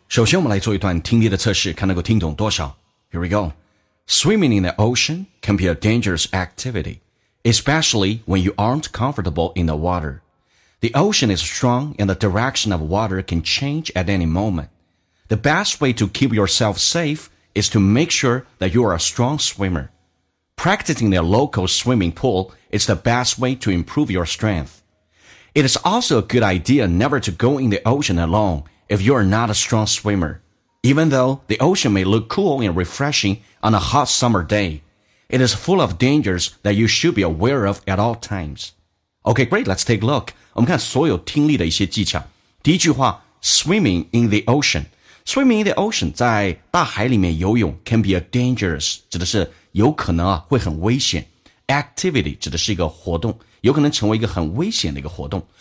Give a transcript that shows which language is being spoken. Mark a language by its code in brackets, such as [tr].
[zh] 首先我们来做一段听力的测试，看能够听懂多少。 [en] Here we go. Swimming in the ocean can be a dangerous activity, especially when you aren't comfortable in the water. The ocean is strong and the direction of water can change at any moment. The best way to keep yourself safe is to make sure that you are a strong swimmer. Practicing a local swimming pool is the best way to improve your strength. It is also a good idea never to go in the ocean aloneIf you are not a strong swimmer, even though the ocean may look cool and refreshing on a hot summer day, it is full of dangers that you should be aware of at all times. Okay, great, let's take a look. [zh] 我们看所有听力的一些技巧。第一句话 [en] swimming in the ocean. Swimming in the ocean, [zh] 在大海里面游泳 [en] can be a dangerous, [zh] 指的是有可能啊会很危险。 Activity, 指的是一个活动。有可能成为一个很危险的一个活动。